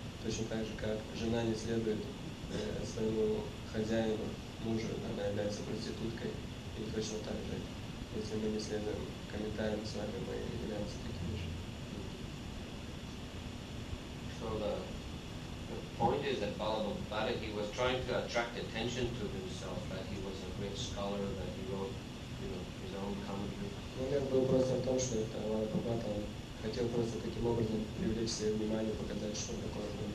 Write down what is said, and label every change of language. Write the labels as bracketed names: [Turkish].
[Russian] Точно так же, как жена не следует своему хозяину, мужу, она является проституткой. И точно так же, если мы не следуем комментариям с вами, мы являемся такими же. [English] So the point is that Balabha Bhatta, he was trying to attract attention to himself, that he was a great scholar, that he wrote, you know, his own commentary. [Russian] Ну, был просто в том, что это Балабха Бхатта, он хотел просто таким образом привлечь себе внимание, показать, что такое.